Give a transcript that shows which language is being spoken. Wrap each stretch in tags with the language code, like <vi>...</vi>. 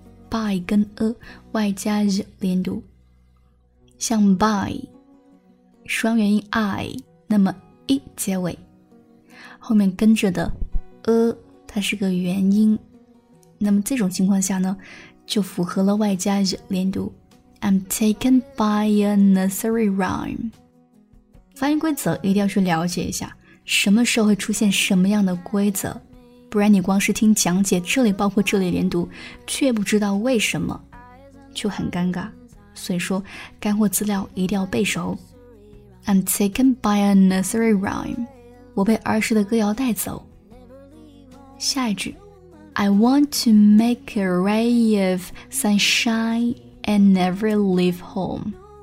<zh>By 跟 a 外加 z 连读，像 by 双元音 i， 那么 i 结尾后面跟着的 a 它是个元音，那么这种情况下呢，就符合了外加 z 连读。</zh> <en>I'm taken by a nursery rhyme。</en> <zh>发音规则一定要去了解一下，什么时候会出现什么样的规则。不然你光是听讲解这里包括这里连读却不知道为什么就很尴尬，所以说干货资料一定要背熟。</zh> <en>I'm taken by a nursery rhyme.</en> <zh>我被儿时的歌谣带走。下一句</zh> <en>I want to make a ray of sunshine and never leave home.</en>